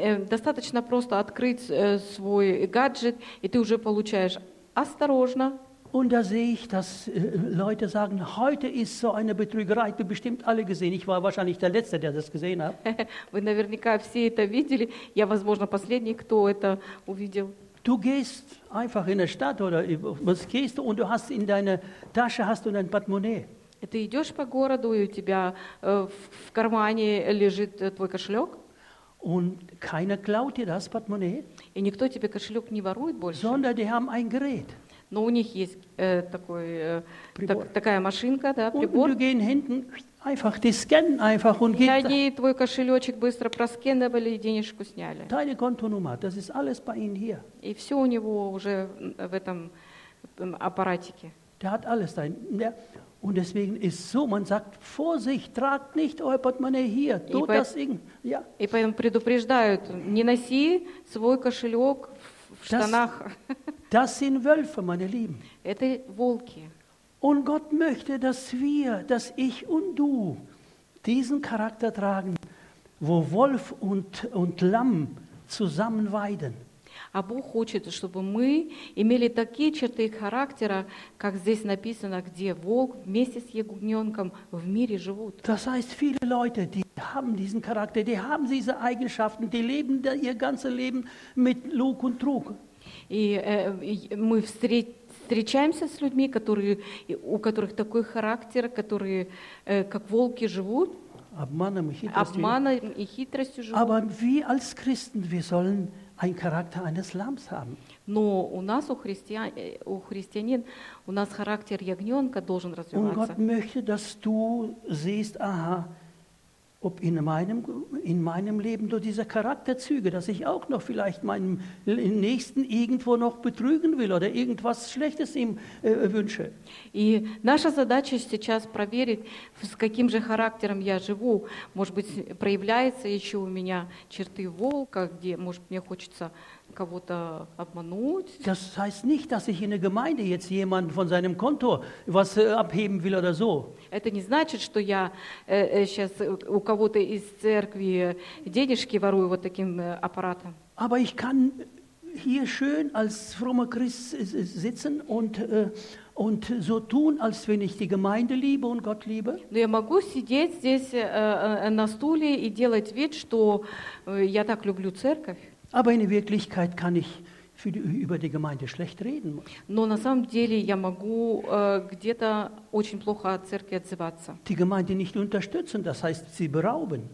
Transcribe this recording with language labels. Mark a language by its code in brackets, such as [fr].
[ru] Достаточно просто открыть свой гаджет, и ты уже получаешь осторожно. [de] Und da sehe ich, dass Leute sagen, heute ist so eine Betrügerei, du bestimmt alle gesehen. Ich war wahrscheinlich der Letzte, der das gesehen hat. [ru] Вы наверняка все это видели. Я, возможно, последний, кто это увидел. [de] Du gehst einfach in der Stadt oder was gehst du und du hast in deiner Tasche hast du ein Portemonnaie. [ru] Ты идёшь по городу и у тебя в кармане лежит твой кошелёк. [de] Und keiner klaut dir das Portemonnaie. [ru] И никто тебе кошелёк не ворует больше. [de] Sondern die haben ein Gerät. [ru] Но у них есть такая машинка, да, прибор. [de] Und du gehst hinten einfach die scannen einfach und geht. [ru] И они твой кошелёчек быстро проскеннировали и денежку сняли. [de] Deine Kontonummer, das ist alles bei ihnen hier. [ru] И всё у него уже в этом аппаратике. [de] Der hat alles dein, ja. Und deswegen ist so, man sagt, Vorsicht, tragt nicht euer Portemonnaie hier. [ru] И поэтому предупреждают, не носи свой кошелёк в штанах. [de] Das sind Wölfe, meine Lieben. [ru] Это волки. [de] Und Gott möchte, dass wir, dass ich und du diesen Charakter tragen, wo Wolf und Lamm zusammen weiden. [ru] А Бог хочет, чтобы мы имели такие черты характера, как здесь написано, где волк вместе с ягненком в мире живут. [de] Das heißt, viele Leute, die haben diesen Charakter, die haben diese Eigenschaften, die leben ihr ganzes Leben mit Lug und Trug. [ru] И мы встречаемся с людьми, которые, у которых такой характер, которые как волки живут, обманом и хитростью живут. [de] Aber wir als Christen, wir sollen einen Charakter eines Lamms haben. [ru] Но у нас, у христианин, у нас характер ягненка должен развиваться. [de] Und Gott möchte, dass du siehst, aha, ob in meinem Leben nur diese Charakterzüge, dass ich auch noch vielleicht meinem Nächsten irgendwo noch betrügen will oder irgendwas Schlechtes ihm wünsche. [ru] И наша задача сейчас проверить, с каким же характером я живу. Может быть, проявляется еще у меня черты волка, где, может, мне хочется кого-то обмануть. [de] Das heißt nicht, dass ich in der Gemeinde jetzt jemanden von seinem Konto was abheben will oder so. [ru] Это не значит, что я сейчас у кого-то из церкви денежки ворую вот таким аппаратом. [de] Aber ich kann hier schön als frommer Christ sitzen und so tun, als wenn ich die Gemeinde liebe und Gott liebe. [ru] Но я могу сидеть здесь на стуле и делать вид, что я так люблю церковь. [de] Aber in Wirklichkeit kann ich über die Gemeinde schlecht reden. [ru] Но на самом деле я могу где-то очень плохо о церкви отзываться. [de] Die Gemeinde nicht unterstützen, das heißt, sie berauben.